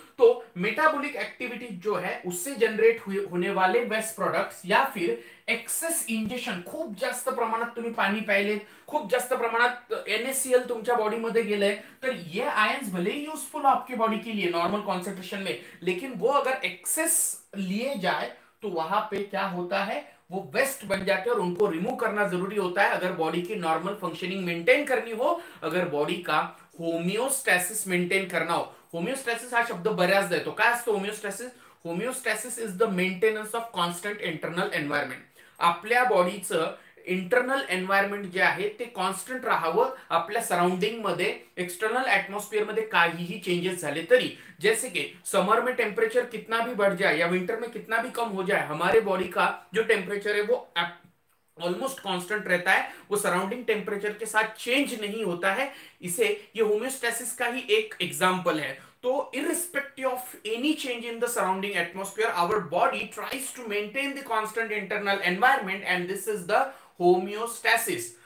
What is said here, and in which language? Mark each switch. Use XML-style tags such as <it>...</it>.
<hi>तो metabolic activity जो है उससे जनरेट हुए होने वाले वेस्ट प्रोडक्ट्स या फिर एक्सेस इंजेशन,</hi> <mr>खूब जास्त प्रमाणात तुम्ही पानी पाहिले, खूब जास्त प्रमाणात एनएसीएल तुमच्या बॉडी मध्ये गेले,</mr> <hi>तर ये आयन्स भले ही यूजफुल हो आपके बॉडी के लिए नॉर्मल कॉन्सेंट्रेशन में, लेकिन वो अगर एक्सेस लिए जाए तो वहां पे क्या होता है, वो वेस्ट बन जाते हैं और उनको रिमूव करना जरूरी होता है अगर बॉडी की नॉर्मल फंक्शनिंग मेंटेन करनी हो, अगर बॉडी का होमियोस्टेसिस मेंटेन करना हो।</hi> <mr>होमियोस्टेसिस हा शब्द बऱ्याच देतो, काय असतो homeostasis?</mr> <en>Homeostasis is the maintenance of constant internal environment.</en> <mr>आपल्या बॉडीचं इंटरनल एन्व्हायरमेंट जे आहे ते कॉन्स्टंट राहावं आपल्या सराउंडिंग मध्ये, एक्सटर्नल ऍटमॉस्फिअर मध्ये काहीही चेंजेस झाले तरी।</mr> <hi>जैसे कि समर में टेम्परेचर कितना भी बढ़ जाए या विंटर में कितना भी कम हो जाए, हमारे बॉडी का जो टेम्परेचर है वो ऑलमोस्ट कॉन्स्टेंट रहता है, वो सराउंडिंग टेम्परेचर के साथ चेंज नहीं होता है। इसे ये होम्योस्टेसिस का ही एक एग्जाम्पल है।</hi> <en>तो irrespective of any change in the surrounding atmosphere, our body tries to maintain the constant internal environment, and this is the homeostasis.</en>